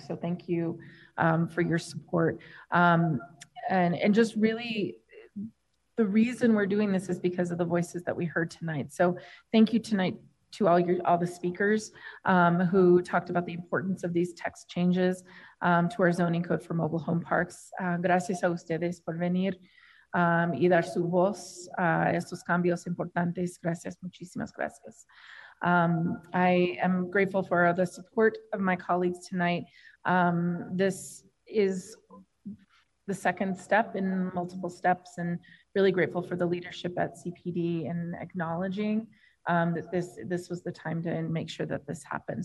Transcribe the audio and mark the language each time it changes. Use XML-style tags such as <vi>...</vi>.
<en>So thank you for your support. And just really the reason we're doing this is because of the voices that we heard tonight. So thank you tonight to all the speakers who talked about the importance of these text changes to our zoning code for mobile home parks.</en> <es>Gracias a ustedes por venir y dar su voz a estos cambios importantes. Gracias, muchísimas gracias.</es> <en>I am grateful for the support of my colleagues tonight. This is the second step in multiple steps, and really grateful for the leadership at CPD in acknowledging that this was the time to make sure that this happened.</en>